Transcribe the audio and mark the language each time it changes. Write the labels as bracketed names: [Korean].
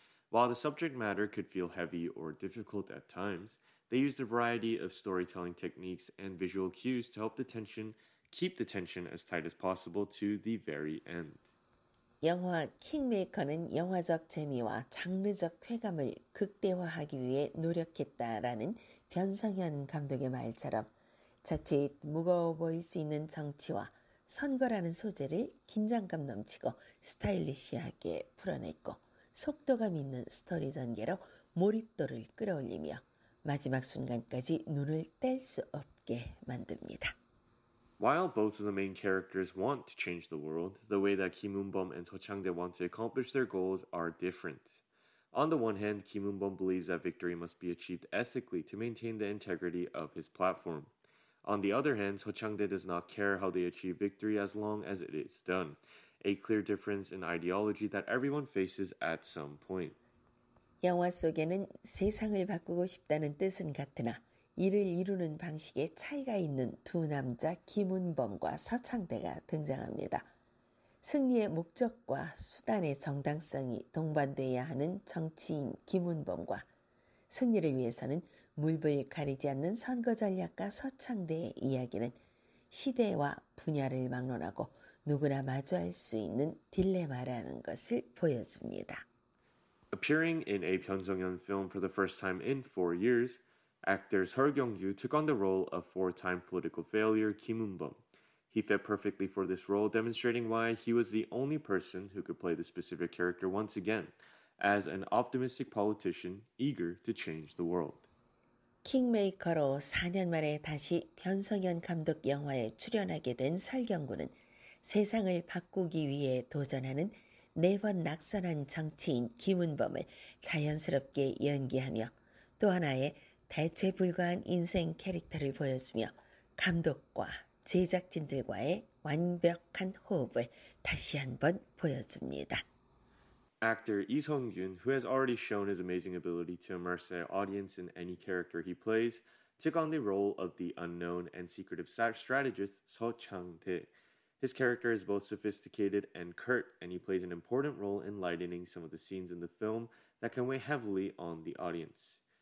[English] While the subject matter could feel heavy or difficult at times, they used a variety of storytelling techniques and visual cues to help keep the tension as tight as possible to the very end. [Korean] 영화 킹메이커는 영화적 재미와 장르적 쾌감을 극대화하기 위해 노력했다라는 변성현 감독의 말처럼 자칫 무거워 보일 수 있는 정치와 선거라는 소재를 긴장감 넘치고 스타일리시하게 풀어냈고 속도감 있는 스토리 전개로 몰입도를 끌어올리며 마지막 순간까지 눈을 뗄 수 없게 만듭니다. [English] While both of the main characters want to change the world, the way that Kim Eun-bom and Seo Chang-dae want to accomplish their goals are different. On the one hand, Kim Eun-bom believes that victory must be achieved ethically to maintain the integrity of his platform. On the other hand, Seo Chang-dae does not care how they achieve victory as long as it is done, a clear difference in ideology that everyone faces at some point. [Korean] 영화 속에는 세상을 바꾸고 싶다는 뜻은 같으나 이를 이루는 방식에 차이가 있는 두 남자 김은범과 Seo Chang-dae가 등장합니다. 승리의 목적과 수단의 정당성이 동반돼야 하는 정치인 김은범과 승리를 위해서는 물불 가리지 않는 선거 전략가 서창대의 이야기는 시대와 분야를 막론하고 누구나 마주할 수 있는 딜레마라는 것을 보여줍니다. [English] Appearing in a Byung Sung-hyun film for the first time in 4 years, actor Seo Kyung-ju took on the role of 4-time political failure Kim Eun-bum. He fit perfectly for this role, demonstrating why he was the only person who could play the specific character once again, as an optimistic politician eager to change the world. [Korean] 킹메이커로 4년 만에 다시 변성현 감독 영화에 출연하게 된 설경구는 세상을 바꾸기 위해 도전하는 4번 낙선한 정치인 김은범을 자연스럽게 연기하며 또 하나의 대체 불가한 인생 캐릭터를 보여주며 감독과 제작진들과의 완벽한 호흡을 다시 한번 보여줍니다. [English] Actor Lee Seong-jun, who has already shown his amazing ability to immerse an audience in any character he plays, took on the role of the unknown and secretive strategist Seo Chang-tae. His character is both sophisticated and curt, and he plays an important role in lightening some of the scenes in the film that can weigh heavily on the audience.